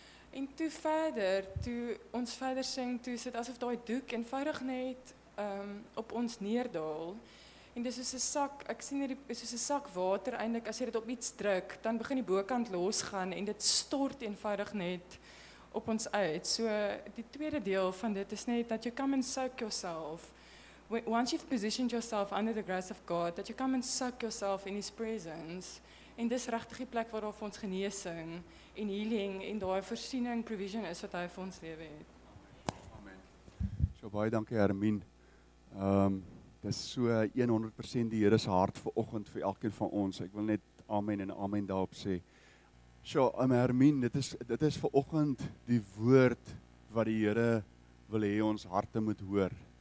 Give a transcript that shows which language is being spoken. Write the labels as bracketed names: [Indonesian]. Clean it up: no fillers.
[Afrikaans] En toe verder, toe ons verder sing, toe sit asof daai doek eenvoudig net op ons neerdaal. En dis soos 'n sak, ek sien hier is soos 'n sak water eintlik, as jy dit op iets druk, dan begin die bokant losgaan en dit stort eenvoudig net op ons uit. So die tweede deel van dit is net dat [English] you come and soak yourself. Once you've positioned yourself under the grace of God, that you come and soak yourself in his presence. [Afrikaans] En dis regtig die plek waarop ons genesing en healing en daai voorsiening provision is wat hy vir ons lewe het. Amen. So baie dankie Hermien. Dis so 100% die Here se hart vir oggend vir elkeen van ons. Ek wil net amen en amen daarop sê. So, Hermien, dit is vir oggend die woord wat die Here wil hê ons harte moet hoor.